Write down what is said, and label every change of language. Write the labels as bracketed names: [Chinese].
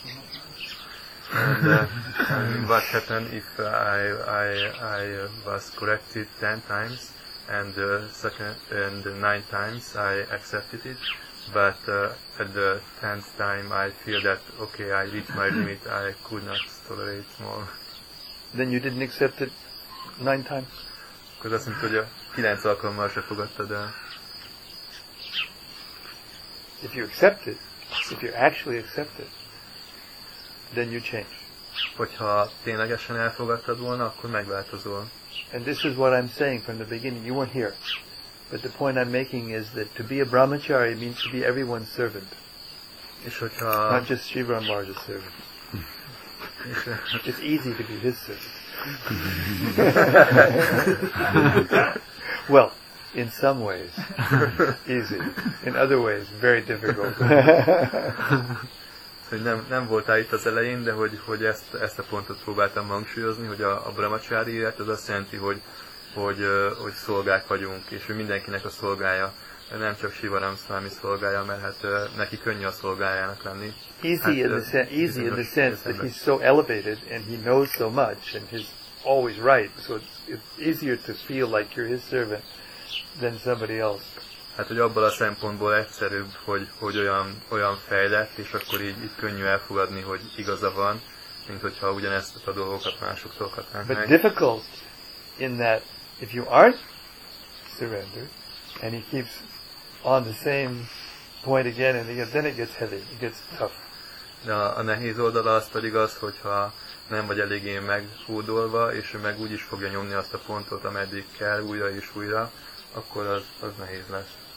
[English] What happened if I was corrected 10 times and nine times I accepted it? But at the 10th time I feel that okay, I reached my limit, I could not tolerate more. Then you didn't accept it 9 times? [Hungarian] Akkor azt mondta, hogy a 9 alkalommal se fogadtad el. [English] If you accept it, if you actually accept it, then you change. [Hungarian] Hogyha ténylegesen elfogadtad volna, akkor megváltozol. [English] And this is what I'm saying from the beginning, you weren't here. But the point I'm making is that to be a brahmachari means to be everyone's servant. Not just Sri Brahmacharya's servant. It's easy to be his servant. Well, in some ways, easy. In other ways, very difficult. [Hungarian] Nem voltál itt az elején, de hogy ezt a pontot próbáltam hangsúlyozni, hogy a brahmachari élet az azt jelenti, hogy szolgák vagyunk, és ő mindenkinek a szolgája, nem csak Sivaram Swami szolgája, mert hát neki könnyű a szolgájának lenni. [English] Easy in the sense that he's so elevated and he knows so much and he's always right, so it's easier to feel like you're his servant than somebody else. [Hungarian] Hát hogy abban a szempontból egyszerűbb, hogy olyan fejlett, és akkor így könnyű elfogadni, hogy igaza van, mint hogyha ugyanezt a dolgokat másoktól kapnánk meg. [English] But difficult. In that, if you aren't surrendered, and he keeps on the same point again and again, then it gets heavy, it gets tough. [Hungarian] De a nehéz oldala az pedig az, hogyha nem vagy eléggé meghódolva, és ő meg úgy is fogja nyomni azt a pontot, ameddig kell, újra és újra, akkor az nehéz lesz.